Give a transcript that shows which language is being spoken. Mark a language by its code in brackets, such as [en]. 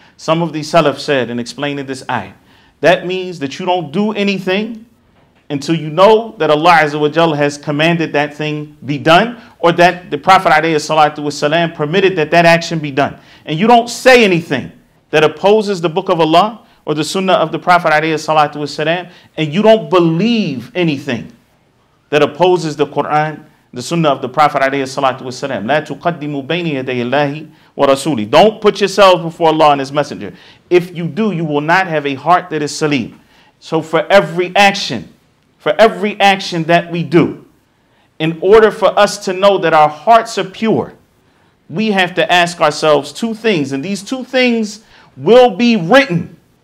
[en] Some of the Salaf said in explaining this ayah, that means that you don't do anything until you know that Allah Azza wa Jal has commanded that thing be done, or that the Prophet alayhi salatu wasalam permitted that that action be done. And you don't say anything that opposes the book of Allah or the sunnah of the Prophet alayhi salatu wasalam, and you don't believe anything that opposes the Quran, the sunnah of the Prophet alayhi salatu wasalam. [ar] لا تقدموا بين يدي الله ورسوله. [en] Don't put yourself before Allah and His Messenger. If you do, you will not have a heart that is salim. So for every action that we do, in order for us to know that our hearts are pure, we have to ask ourselves two things, and these two things will be written.